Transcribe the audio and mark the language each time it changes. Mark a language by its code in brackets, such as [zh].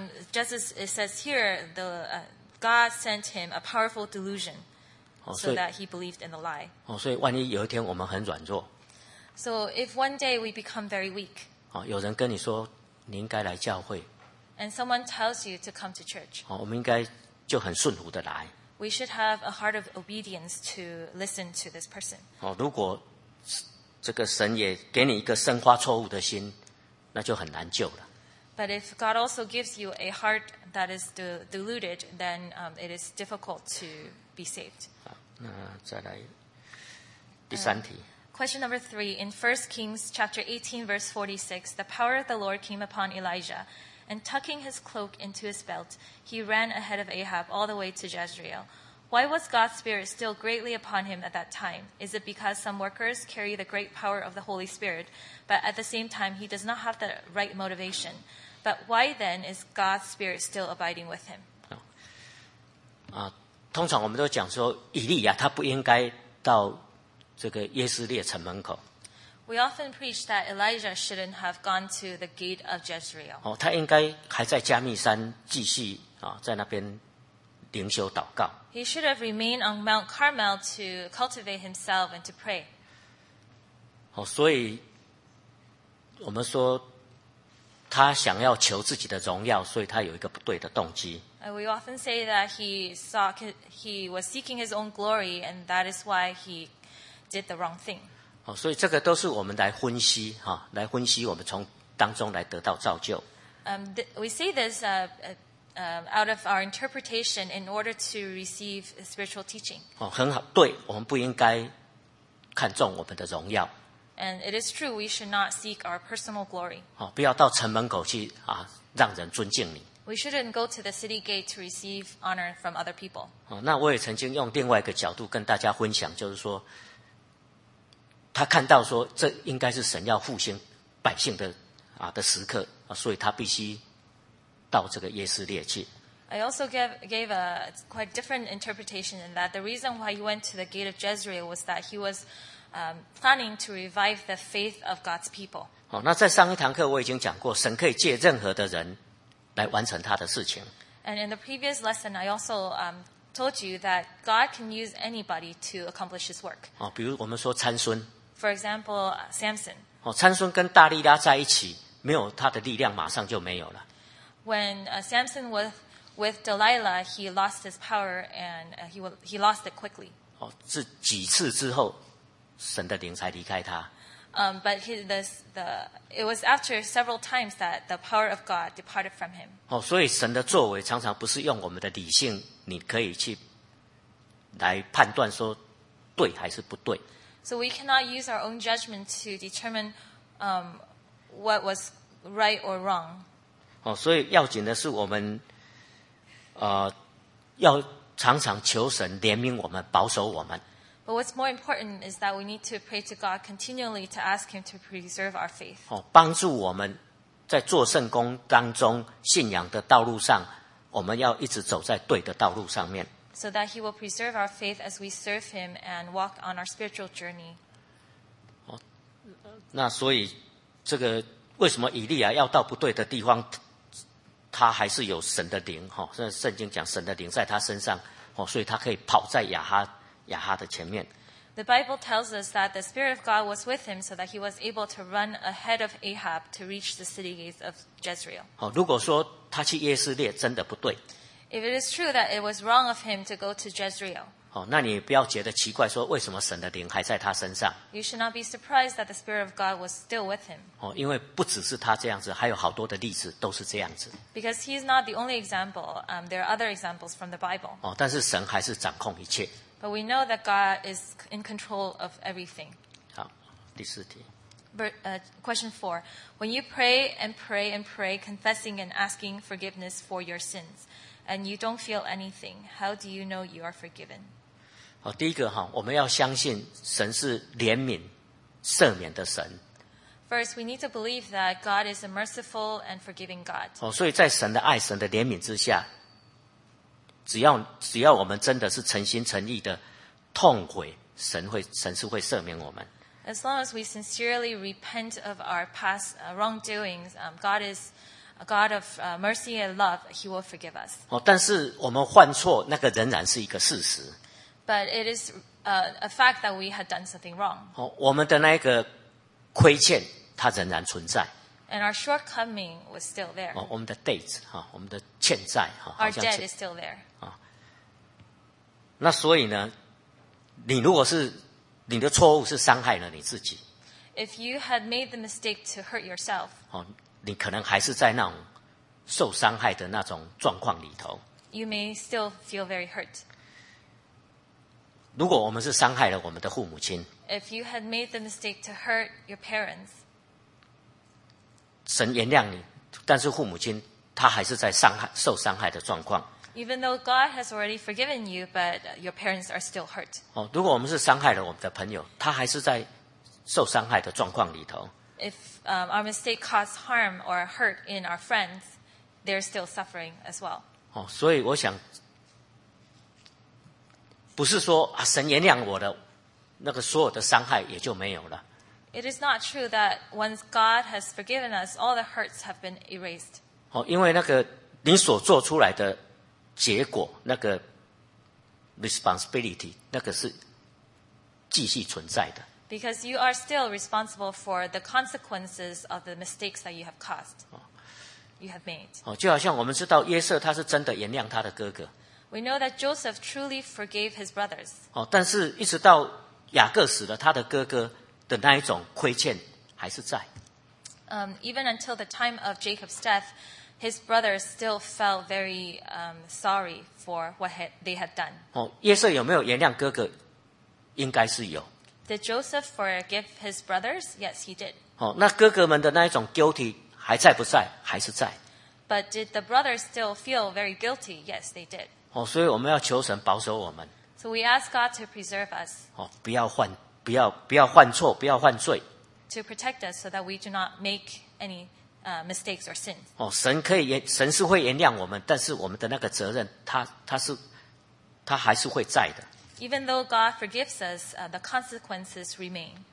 [en] Just as it says here, the God sent him a powerful delusion, so that he believed in the lie. [zh] 哦，所以万一有一天我们很软弱 [en] ，So if one day we become very weak, [zh] 哦，有人跟你说你应该来教会。 [en] And someone tells you to come to church. [zh] 我们应该就很顺服的来。 [en] We should have a heart of obedience to listen to this person. [zh] 如果这个神也给你一个生花错误的心，那就很难救了。 [en] But if God also gives you a heart that is deluded, then it is difficult to be saved. [zh] 那再来第三题。 [en] Question number three. In 1 Kings chapter 18, verse 46, the power of the Lord came upon Elijah. And tucking his cloak into his belt, he ran ahead of Ahab all the way to Jezreel. Why was God's Spirit still greatly upon him at that time? Is it because some workers carry the great power of the Holy Spirit, but at the same time, he does not have the right motivation? But why then is God's Spirit still abiding with him? [zh] 通常我们都讲说，以利亚他不应该到这个耶斯列城门口。 [en] We often preach that Elijah shouldn't have gone to the gate of Jezreel. [zh] 哦，他应该还在加密山继续啊，在那边灵修祷告。 [en] He should have remained on Mount Carmel to cultivate himself and to pray. [zh] 哦，所以我们说他想要求自己的荣耀，所以他有一个不对的动机。 [en] We often say that he was seeking his own glory, and that is why he did the wrong thing. [zh] 哦，所以这个都是我们来分析哈，来分析我们从当中来得到造就。 [en] We see this out of our interpretation in order to receive spiritual teaching. [zh] 哦，很好，对，我们不应该看重我们的荣耀。 [en] And it is true we should not seek our personal glory. [zh] 哦，不要到城门口去啊，让人尊敬你。 [en] We shouldn't go to the city gate to receive honor from other people. [zh] 哦，那我也曾经用另外一个角度跟大家分享，就是说。他看到说，这应该是神要复兴百姓的时刻啊，所以他必须到这个耶斯列去。 [en] I also gave a quite different interpretation in that the reason why he went to the gate of Jezreel was that he was planning to revive the faith of God's people. [zh] 哦，那在上一堂课我已经讲过，神可以借任何的人来完成他的事情。 [en] And in the previous lesson, I also told you that God can use anybody to accomplish His work. [zh] 哦，比如我们说参孙。 [en] For example, Samson. [zh] 哦，参孙跟大力拉在一起，没有他的力量，马上就没有了。 [en] When Samson was with Delilah, he lost his power and he lost it quickly. [zh] 哦，是几次之后，神的灵才离开他。 [en] But it was after several times that the power of God departed from him. [zh] 哦，所以神的作为常常不是用我们的理性。你可以去来判断说对还是不对。 [en] So we cannot use our own judgment to determine what was right or wrong. [zh] 哦，所以要紧的是我们，要常常求神怜悯我们，保守我们。 [en] But what's more important is that we need to pray to God continually to ask Him to preserve our faith. [zh] 哦，帮助我们在做圣工当中信仰的道路上，我们要一直走在对的道路上面。 [en] So that He will preserve our faith as we serve Him and walk on our spiritual journey. [zh] 哦，那所以这个为什么以利亚要到不对的地方，他还是有神的灵哈？现在圣经讲神的灵在他身上哦，所以他可以跑在亚哈的前面。 [en] The Bible tells us that the Spirit of God was with him, so that he was able to run ahead of Ahab to reach the city gates of Jezreel. [zh] 哦，如果说他去耶斯列真的不对 [en] ，If it is true that it was wrong of him to go to Jezreel. [zh] 哦，那你不要觉得奇怪，说为什么神的灵还在他身上 [en] ？You should not be surprised that the Spirit of God was still with him. [zh] 哦，因为不只是他这样子，还有好多的例子都是这样子。 [en] Because he is not the only example. There are other examples from the Bible. [zh] 哦，但是神还是掌控一切。 [en] But we know that God is in control of everything. [zh] 好，第四题。 [en] Question four. When you pray and pray and pray, confessing and asking forgiveness for your sins, and you don't feel anything, how do you know you are forgiven? [zh] 好，第一个哈，我们要相信神是怜悯、赦免的神。 [en] First, we need to believe that God is a merciful and forgiving God. [zh] 哦，所以在神的爱、神的怜悯之下。只要我们真的是诚心诚意的痛悔，神是会赦免我们。 [en] As long as we sincerely repent of our past wrongdoings, God is a God of mercy and love. He will forgive us. [zh] 哦，但是我们犯错，那个仍然是一个事实。 [en] But it is a fact that we had done something wrong. [zh] 哦，我们的那个亏欠，它仍然存在。 [en] And our shortcoming was still there. [zh] 哦，我们的 debt 哈，我们的欠债哈。 [en] Our debt is still there. [zh] 啊，那所以呢，你如果是你的错误是伤害了你自己。 [en] If you had made the mistake to hurt yourself. [zh] 哦，你可能还是在那种受伤害的那种状况里头。 [en] You may still feel very hurt. [zh] 如果我们是伤害了我们的父母亲。 [en] If you had made the mistake to hurt your parents. [zh] 神原谅你，但是父母亲他还是在伤害、受伤害的状况。 [en] Even though God has already forgiven you, but your parents are still hurt. [zh] 哦，如果我们是伤害了我们的朋友，他还是在受伤害的状况里头。 [en] If our mistake caused harm or hurt in our friends, they're still suffering as well. [zh] 哦，所以我想，不是说啊，神原谅我的那个所有的伤害也就没有了。 [en] It is not true that once God has forgiven us, all the hurts have been erased. [zh] 哦，因为那个你所做出来的结果，那个 responsibility， 那个是继续存在的。 [en] Because you are still responsible for the consequences of the mistakes that you have caused, you have made. [zh] 哦，就好像我们知道约瑟他是真的原谅他的哥哥。 [en] We know that Joseph truly forgave his brothers. [zh] 哦，但是一直到雅各死了，他的哥哥。的那一种亏欠还是在。 [en] Even until the time of Jacob's death, his brothers still felt very sorry for what they had done. [zh] 哦，约瑟有没有原谅哥哥？应该是有。 [en] Did Joseph forgive his brothers? Yes, he did. [zh] 哦，那哥哥们的那一种 guilty 还在不在？还是在。 [en] But did the brothers still feel very guilty? Yes, they did. [zh] 哦，所以我们要求神保守我们。 [en] So we ask God to preserve us. [zh] 哦，不要犯错，不要犯罪。 [en] To protect us so that we do not make any mistakes or sins. [zh] 哦，神是会原谅我们，但是我们的那个责任，他还是会在的。 [en] Even though God forgives us, the consequences remain.